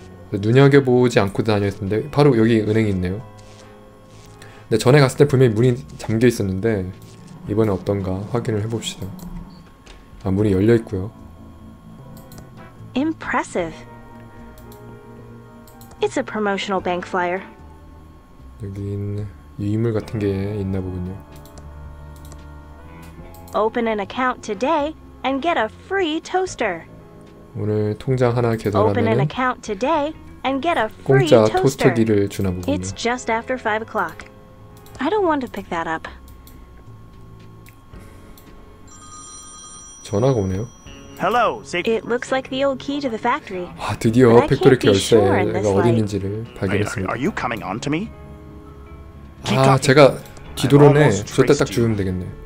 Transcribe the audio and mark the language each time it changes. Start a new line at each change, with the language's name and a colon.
Korean: 눈여겨보지 않고 다녔는데 바로 여기 은행이 있네요. 근데 전에 갔을 때 분명히 문이 잠겨 있었는데 이번엔 어떤가 확인을 해봅시다. 아, 문이 열려 있고요.
English: Impressive. It's a promotional bank flyer.
Korean: 여긴 유인물 같은 게 있나 보군요.
English: Open an account today and get a free toaster.
Korean: 오늘 통장 하나 개설하면
English: Open an account today and get a free
Korean: 공짜
English: toaster.
Korean: 토스터기를 주나 보군요.
English: It's just after 5 o'clock. I don't want to pick that up.
Korean: 전화가 오네요.
English: Hello. It looks like the old key to the factory.
Korean: 아, 드디어 팩토리 열쇠가 어디 있는지를 발견했습니다.
English: Are you coming on to me?
Korean: 아, 제가 뒤돌아네 주셨다 딱 주면 되겠네.